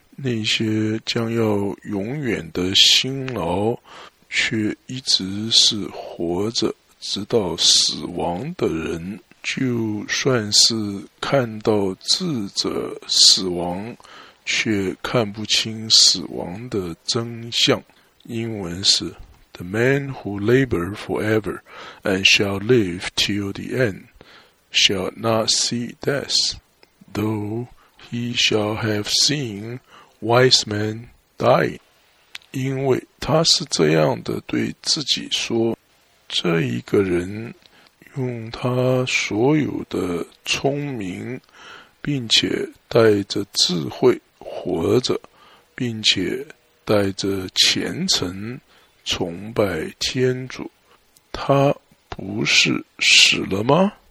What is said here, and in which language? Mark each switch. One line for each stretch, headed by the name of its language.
Chinese: 那些将要永远的辛劳却一直是活着直到死亡的人，就算是看到智者死亡，却看不清死亡的真相。英文是
English: The man who labor forever and shall live till the end shall not see death, though he shall have seen wise men die.
Chinese: 因为他是这样的对自己说，这一个人用他所有的聪明并且带着智慧活着，并且带着虔诚崇拜天主，他不是死了吗？